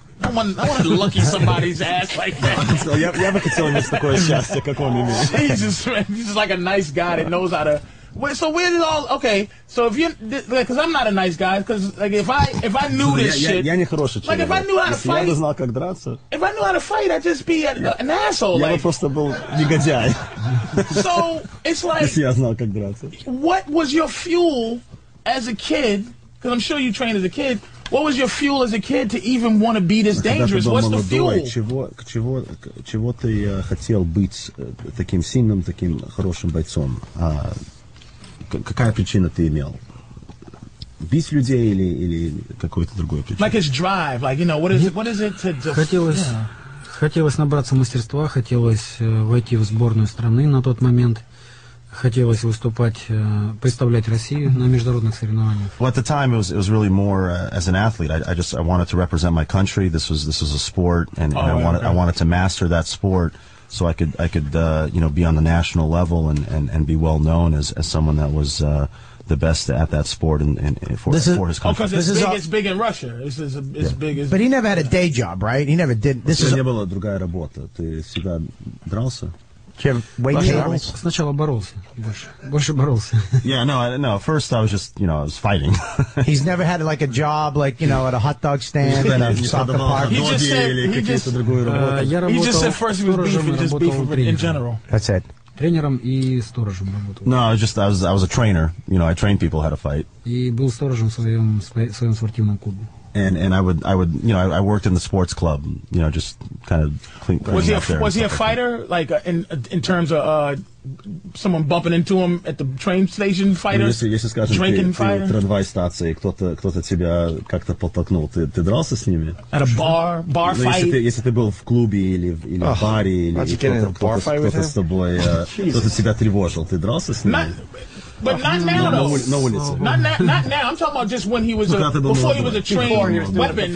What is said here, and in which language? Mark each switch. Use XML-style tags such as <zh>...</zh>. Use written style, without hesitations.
<en>I wanted to lucky somebody's ass like that.</en> <ru>Я бы хотел иметь такое счастье, как он имеет.</ru> <en>Jesus, man, he's just like a nice guy that knows how to So where did all okay? So if you, because I'm not a nice guy, because like if I knew this shit, like if I knew how to fight, if I knew how to fight, I'd just be an asshole. Like,</en> <ru>просто был негодяй.</ru> <en>So it's like, what was your fuel as a kid? Because I'm sure you trained as a kid. What was your fuel as a kid to even want to be this dangerous? What's the fuel?</en> <ru>Чего ты хотел быть таким сильным, таким хорошим бойцом? Какая причина ты имел? Бить людей или какой-то другой причиной?</ru> <en>Like his drive, like, you know, what is it to just...</en> <ru>Хотелось набраться мастерства, хотелось войти в сборную страны на тот момент. Хотелось выступать, представлять Россию на международных соревнованиях.</ru> <en>Well, at the time, it was really more as an athlete. I wanted to represent my country. This was a sport, I wanted to master that sport, so I could be on the national level and be well known as someone that was the best at that sport for his country. Because it's big in Russia. Big as. But he never had a day job, right? He never did. This is.</en> <ru>У тебя не было другая работа. Ты всегда дрался. Сначала боролся, больше боролся.</ru> <en>Yeah, no. First, I was just, you know, I was fighting. He's never had like a job, like, you know, at a hot dog stand, at a soccer park. He just said first he was beefing in general. That's it.</en> <ru>Тренером и сторожем работал.</ru> <en>No, I was a trainer. You know, I trained people how to fight.</en> <ru>И был сторожем в своем спортивном клубе.</ru> <en>And I would, you know, I worked in the sports club, you know, just kind of clean. Was he a fighter, like in terms of someone bumping into him at the train station? Fighter, drinking fighter.</en> <ru>На трамвай станции кто-то тебя как-то подтолкнул. Ты дрался с ними?</ru> <en>At a bar fight.</en> <ru>Если ты был в клубе или в баре или кто-то с тобой, кто-то тебя тревожил, ты дрался с ними?</ru> <en>But not now, though. Not now. I'm talking about just when he was before he was a trained weapon.</en>